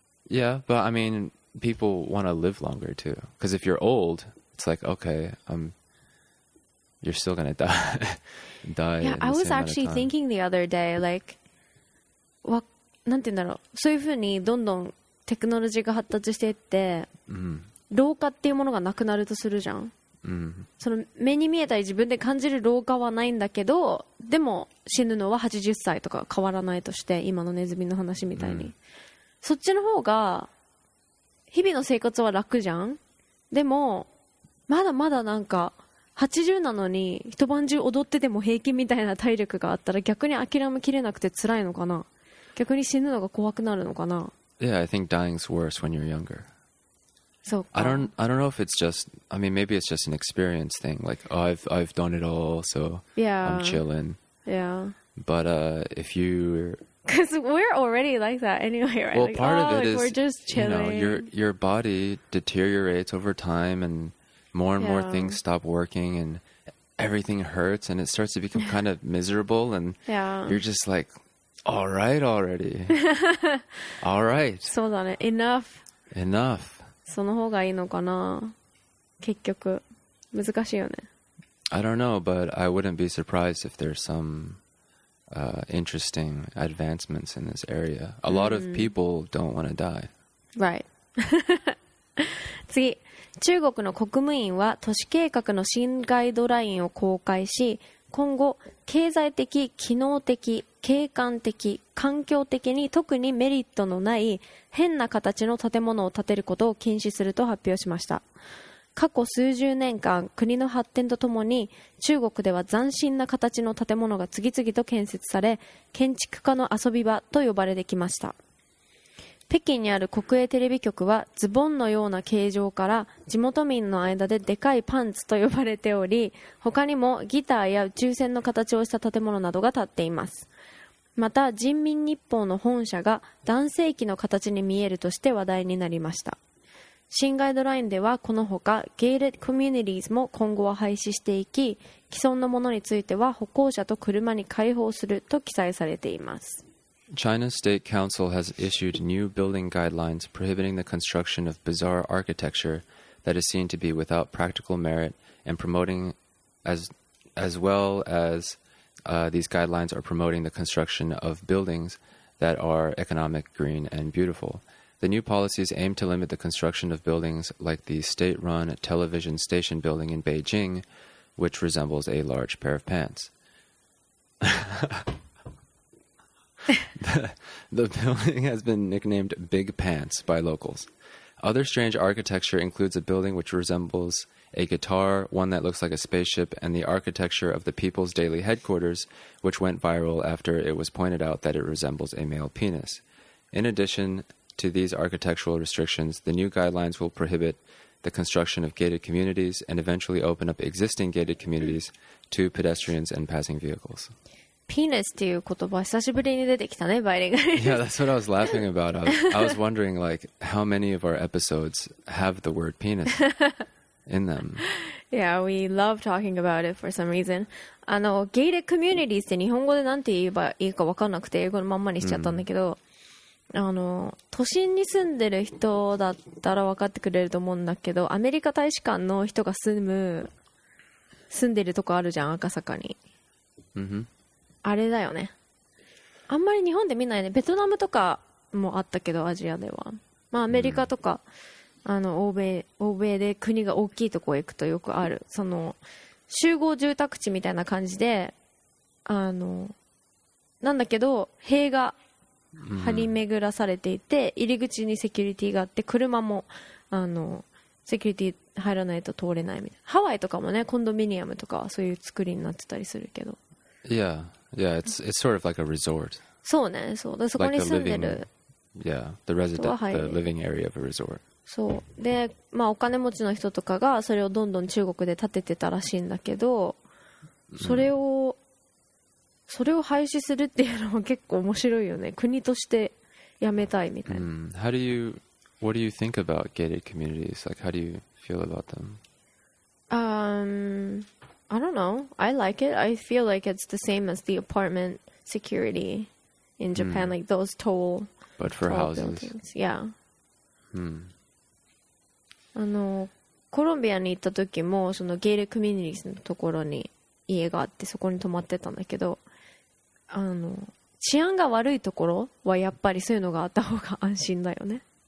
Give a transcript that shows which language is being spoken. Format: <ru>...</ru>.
<en>Yeah, but I mean, people want to live longer too. Because if you're old, it's like, okay, you're still going to die. Yeah, I was actually thinking the other day, like,</en> <ja>なんて言うんだろう、そういう風にどんどんテクノロジーが発達していって、うん、老化っていうものがなくなるとするじゃん、うん、その目に見えたり自分で感じる老化はないんだけど、でも死ぬのは80歳とか変わらないとして、今のネズミの話みたいに、うん、そっちの方が日々の生活は楽じゃん。でもまだまだなんか80なのに一晩中踊ってても平気みたいな体力があったら、逆に諦めきれなくて辛いのかな、逆に死ぬのが怖くなるのかな。</ja> <en>Yeah, I think dying's worse when you're younger.</en> <ja>そうか。</ja> <en>I don't know if it's just, I mean, maybe it's just an experience thing. Like, oh, I've done it all, so yeah, I'm chilling. Yeah. But if you... Because we're already like that anyway, right? Well, part like, of it is, we're just chilling. You know, your body deteriorates over time and more and more things stop working and everything hurts and it starts to become kind of miserable and you're just like... All right, already. All right.</en> <ja>そうだね。</ja> <en>Enough. Enough.</en> <ja>その方がいいのかな。結局難しいよね。</ja> <en>I don't know, but I wouldn't be surprised if there's some interesting advancements in this area. A lot of people don't want to die. Right.</en> <ja>次、中国の国務院は都市計画の新ガイドラインを公開し、今後経済的、機能的、景観的、環境的に特にメリットのない変な形の建物を建てることを禁止すると発表しました。過去数十年間、国の発展とともに中国では斬新な形の建物が次々と建設され、建築家の遊び場と呼ばれてきました。北京にある国営テレビ局は、ズボンのような形状から地元民の間ででかいパンツと呼ばれており、他にもギターや宇宙船の形をした建物などが建っています。また人民日報の本社が男性器の形に見えるとして話題になりました。新ガイドラインではこのほか、ゲイレコミュニティーズも今後は廃止していき、既存のものについては歩行者と車に開放すると記載されています。</ja> <en>China's State Council has issued new building guidelines prohibiting the construction of bizarre architecture that is seen to be without practical merit and promoting as well as these guidelines are promoting the construction of buildings that are economic, green, and beautiful. The new policies aim to limit the construction of buildings like the state-run television station building in Beijing, which resembles a large pair of pants. The building has been nicknamed Big Pants by locals. Other strange architecture includes a building which resembles a guitar, one that looks like a spaceship, and the architecture of the People's Daily Headquarters, which went viral after it was pointed out that it resembles a male penis. In addition to these architectural restrictions, the new guidelines will prohibit the construction of gated communities and eventually open up existing gated communities to pedestrians and passing vehicles.</en> <ja>ピーナスっていう言葉久しぶりに出てきたね、バイリンガ</ja> <en>ル。Yeah, that's what I was laughing about. I was wondering like how many of our episodes have the word penis in them. Yeah, we love talking about it for some reason.</en> <ja>あの、ゲイレコミュニティって日本語でなんて言えばいいか分かんなくて英語のまんまにしちゃったんだけど、あの、都心に住んでる人だったら分かってくれると思うんだけど、アメリカ大使館の人が住んでるとこあるじゃん、赤坂に。 Mm-hmm. あれだよね。あんまり日本で見ないね。ベトナムとかもあったけど、アジアでは、まあアメリカとか、あの欧米で国が大きいとこ行くとよくある、その集合住宅地みたいな感じで、あのなんだけど塀が張り巡らされていて、入り口にセキュリティがあって、車もあのセキュリティ入らないと通れないみたいな。ハワイとかもね、コンドミニアムとかはそういう作りになってたりするけど。いや、</ja> <en>Yeah, it's sort of like a resort.</en> <ja>そうね、そう。で、そこに住んでる。</ja> <en>Yeah, the resident, the living area of a resort.</en> <ja>そう。で、まあお金持ちの人とかがそれをどんどん中国で建ててたらしいんだけど、それを廃止するっていうのは結構面白いよね。国としてやめたいみたいな。</ja> <en>What do you think about gated communities? Like, how do you feel about them? I don't know. I like it. I feel like it's the same as the apartment security in Japan, like those tall buildings. But for houses. Buildings. Yeah. Hmm.</en> <ja>あの、コロンビアに行った時も、そのゲイレコミュニティのところに家があって、そこに泊まってたんだけど、あの、治安が悪いところはやっぱりそういうのがあった方が安心だよね。</ja>